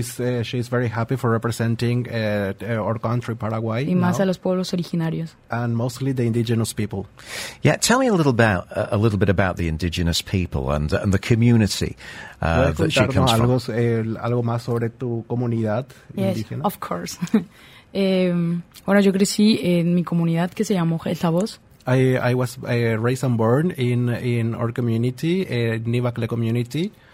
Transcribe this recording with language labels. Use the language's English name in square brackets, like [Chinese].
[English] She's very happy for representing our country, Paraguay. [Spanish] Y más a los pueblos originarios. [English] And mostly the indigenous people. Yeah, tell me a little bit about the indigenous people and the community that she comes from. [Spanish] Algo más sobre tu comunidad [English] yes, [Spanish] indígena. [English] Yes, of course. [Spanish] Bueno, yo crecí en mi comunidad que se llamó El Tabos. [English] I was raised and born in our community, Nivacle community.